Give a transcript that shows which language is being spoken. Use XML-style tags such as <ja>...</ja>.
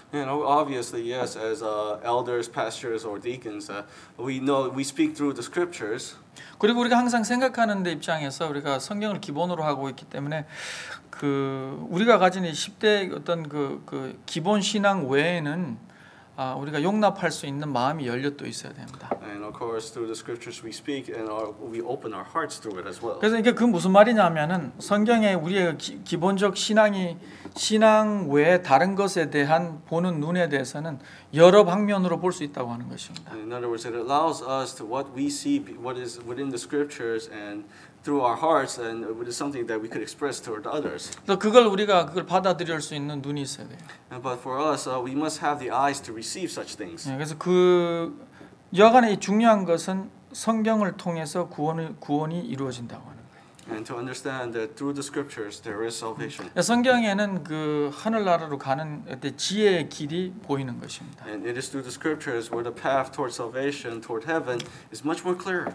<en>Yeah, obviously yes, as elders, pastors, or deacons, we know we speak through the scriptures.</en> <ko>그리고 우리가 항상 생각하는 데 입장에서 우리가 성경을 기본으로 하고 있기 때문에 그 우리가 가진 이 10대 어떤 그 기본 신앙 외에는 우리가 용납할 수 있는 마음이 열려도 있어야 됩니다.</ko> <en>And of course, through the scriptures we speak, and we open our hearts through it as well.</en> <ko>그래서 이게 그 무슨 말이냐면은 성경에 우리의 기본적 신앙 외 다른 것에 대한 보는 눈에 대해서는 여러 방면으로 볼 수 있다고 하는 것입니다.</ko> <en>In other words, it allows us to what we see, what is within the scriptures, and through our hearts, and it is something that we could express toward others.</en> <ko>그걸 받아들일 수 있는 눈이 있어야 돼요.</ko> <en>But for us, we must have the eyes to receive such things.</en> <ko>그래서 그 여간의 중요한 것은 성경을 통해서 구원이 이루어진다고 하는 거예요.</ko> <en>and to understand that through the scriptures there is salvation.</en> <ko>성경에는 그 하늘나라로 가는 지혜의 길이 보이는 것입니다.</ko> <en>And it is through the scriptures where the path toward salvation, toward heaven, is much more clear.</en>